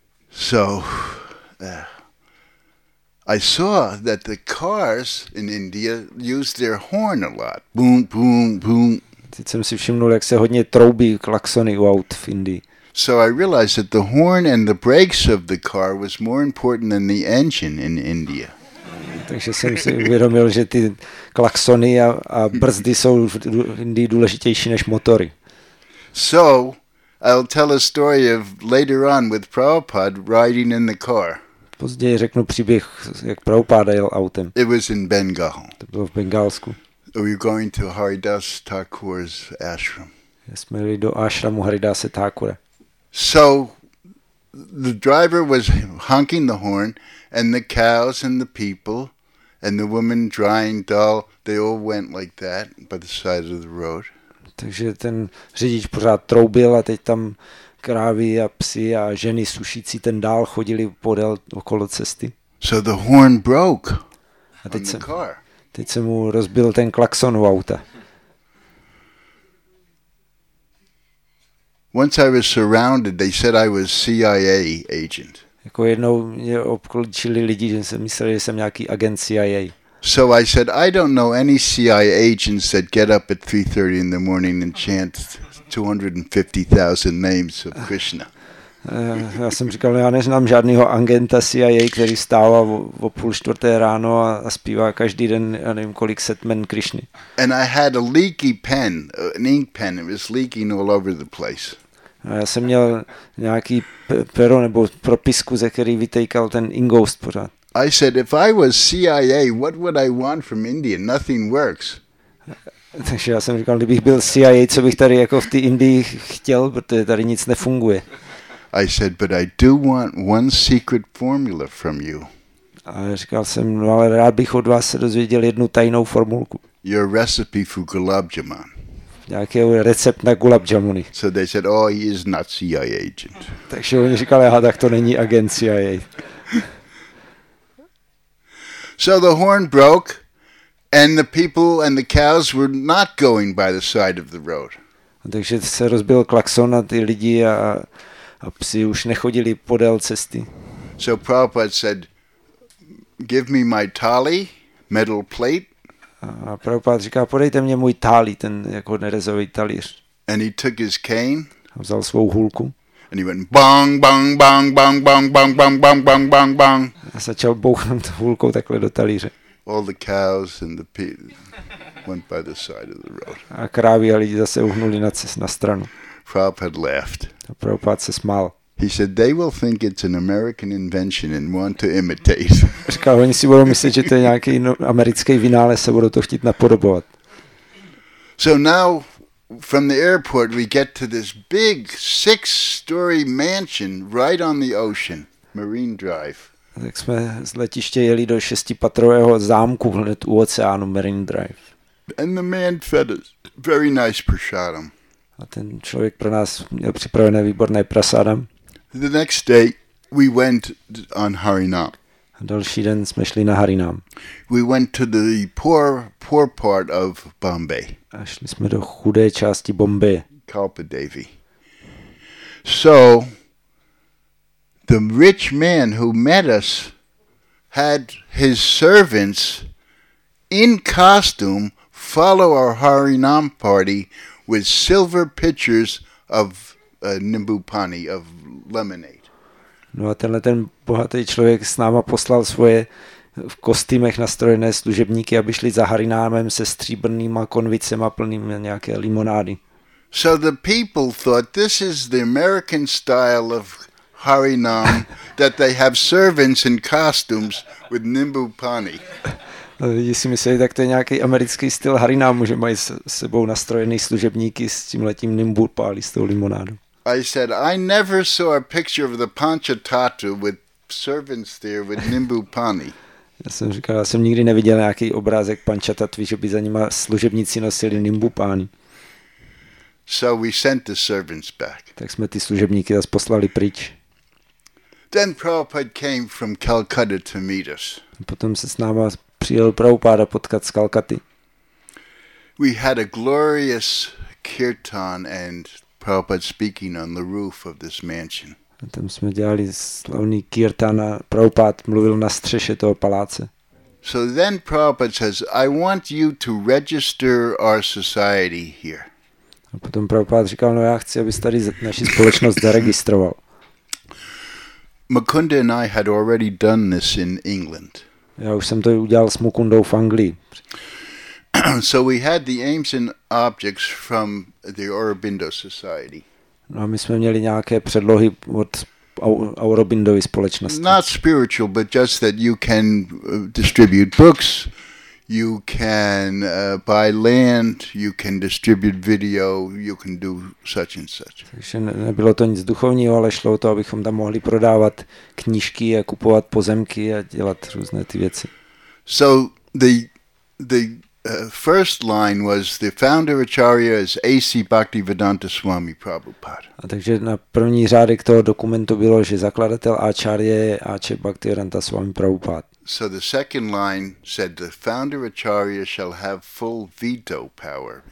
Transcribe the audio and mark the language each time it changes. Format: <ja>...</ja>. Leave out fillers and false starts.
<en>So I saw that the cars in India use their horn a lot. Boom, boom, boom.</en> <cs>Teď jsem si všimnul, jak se hodně troubí klaxony u aut v Indii.</cs> <en>So I realized that the horn and the brakes of the car was more important than the engine in India.</en> <cs>Takže jsem si uvědomil, že ty klaxony a brzdy jsou v Indii důležitější než motory.</cs> <en>So I'll tell a story of later on with Prabhupada riding in the car.</en> <cs>Později řeknu příběh, jak Prabhupada jel autem.</cs> <en>It was in Bengal.</en> <cs>To bylo v Bengálsku.</cs> <en>We're going to Haridas Thakur's ashram.</en> <cs>Jsme jeli do ashramu Haridase Thakura.</cs> <en>So the driver was honking the horn and the cows and the people and the woman drying dal, they all went like that by the side of the road.</en> <cs>Takže ten řidič pořád troubil a teď tam krávy a psi a ženy sušící ten dal chodili podél okolo cesty.</cs> <en>So the horn broke.</en> <cs>A teď se</cs> <en>car.</en> <cs>Teď se mu rozbil ten klaxon u auta.</cs> <en>Once I was surrounded, they said I was CIA agent.</en> <cs>Jako jednou mě obklíčili lidi, že se mysleli, že jsem nějaký agent CIA.</cs> <en>So I said, I don't know any CIA agents that get up at 3:30 in the morning and chant 250,000 names of Krishna.</en> <cs>Já jsem říkal, já neznám žádného agenta CIA, který stává o 3:30 ráno a zpívá každý den, já nevím, kolik set men Krišny.</cs> <en>And I had a leaky pen, an ink pen, it was leaking all over the place.</en> <cs>Já jsem měl nějaký pero nebo propisku, ze který vytejkal ten ingoust pořád.</cs> <en>I said, if I was CIA, what would I want from India? Nothing works.</en> <cs>Takže já jsem říkal, kdybych byl CIA, co bych tady jako v té Indii chtěl, protože tady nic nefunguje.</cs> <en>I said, but I do want one secret formula from you.</en> <cs>A říkal jsem, no ale rád bych od vás se dozvěděl jednu tajnou formulku.</cs> <en>Your recipe for gulab jamun.</en> <cs>nějaký recept na gulab jamuny.</cs> <en>So they said, oh, he is not CIA agent.</en> <cs>Takže oni říkali, aha, tak to není agent CIA.</cs> <en>So the horn broke, and the people and the cows were not going by the side of the road.</en> <cs>Takže se rozbil klaxon a ty lidi a psi už nechodili podél cesty.</cs> <en>So Prabhupada said, give me my thali, metal plate.</en> <cs>A Prabhupada říká, podejte mě můj thali, ten jako nerezový talíř.</cs> <en>And he took his cane.</en> <cs>A vzal svou hůlku.</cs> <en>And he went bang, bang, bang, bang, bang, bang, bang, bang, bang, bang, bang.</en> <cs>A začal bouchnout hůlkou takhle do talíře.</cs> <en>All the cows and the pigs went by the side of the road.</en> <cs>A krávy a lidi zase uhnuli na cestu na stranu.</cs> <en>Prabhupada laughed.</en> <cs>A Prabhupada se smál.</cs> <en>He said they will think it's an American invention and want to imitate.</en> <cs>Říkal, oni si budou myslet, že to je nějaký americký vynález, se budou to chtít napodobovat.</cs> <en>So now from the airport we get to this big 6-story mansion right on the ocean, Marine Drive.</en> <cs>Tak jsme z letiště jeli do 6-patrového zámku hned u oceánu, Marine Drive.</cs> <en>And the man fed us very nice prasadam.</en> <cs>A ten člověk pro nás měl připravené výborné prasadam.</cs> <en>The next day we went on Harinam.</en> <cs>A další den jsme šli na Harinam.</cs> <en>We went to the poor part of Bombay.</en> <cs>A šli jsme do chudé části Bombay.</cs> <en>Kalpadevi. So the rich man who met us had his servants in costume follow our Harinam party with silver pitchers of nimbupani, of lemonade.</en> <cs>No a tenhle ten bohatý člověk s náma poslal svoje v kostýmech nastrojené služebníky, aby šli za Harinámem se stříbrnýma konvicema plnými nějaké limonády.</cs> <en>So the people thought this is the American style of Harinam, that they have servants in costumes with nimbupani.</en> <cs>Lidi si mysleli, tak to je nějaký americký styl Harinam, že mají s sebou nastrojený služebníky s tímhletím nimbupani, s tou limonádou.</cs> <en>I said, I never saw a picture of the Panchatattva with servants there with nimbupani.</en> <cs>Já jsem říkal, já jsem nikdy neviděl nějaký obrázek Panchatattvy, že by za nima služebníci nosili nimbupani.</cs> <en>So we sent the servants back.</en> <cs>Tak jsme ty služebníky zase poslali pryč.</cs> <en>Then Prabhupada came from Calcutta to meet us.</en> <cs>Potom se s náma přijel Prabhupada potkat z Kalkaty.</cs> <en>We had a glorious kirtan and Prabhupada speaking on the roof of this mansion.</en> <cs>A tam jsme dělali slavný kirtan a Prabhupada mluvil na střeše toho paláce.</cs> <en>So then Prabhupada says, I want you to register our society here.</en> <cs>A potom Prabhupada říkal, no já chci, abys tady naši společnost zaregistroval.</cs> <en>Mukunda and I had already done this in England.</en> <cs>Já už jsem to udělal s Mukundou v Anglii.</cs> <en>So we had the aims and objects from the Aurobindo Society.</en> <cs>No a my jsme měli nějaké předlohy od Aurobindovy společnosti.</cs> <en>Not spiritual, but just that you can distribute books, you can buy land, you can distribute video, you can do such and such.</en> <cs>Takže nebylo to nic duchovního, ale šlo o to, abychom tam mohli prodávat knížky a kupovat pozemky a dělat různé ty věci.</cs> <en>So the first line was the founder acharya is AC Bhaktivedanta Swami Prabhupada.</en> <cs>A takže na první řádek toho dokumentu bylo, že zakladatel acharya je AC Bhaktivedanta Swami Prabhupada.</cs> <en>So the second line said the founder acharya shall have full veto power.</en>